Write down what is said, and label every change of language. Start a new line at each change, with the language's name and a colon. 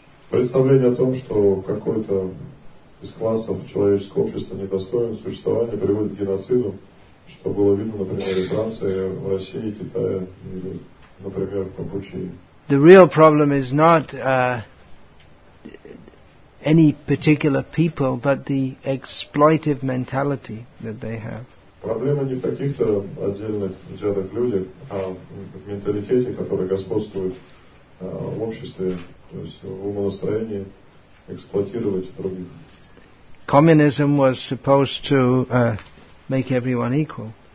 Russian: Представление о том, что какой-то из классов человеческого общества недостоин существования, приводит к геноциду, что было видно, например, в Франции, в России, в Китае, или, например, в Кампучии.
English: The real problem is not any particular people, but the exploitive mentality that they have.
Russian: Проблема не в каких-то отдельных взятых людях, а в менталитете, который господствует в обществе, то есть в умонастроении эксплуатировать других.
English: Communism was supposed to make everyone equal.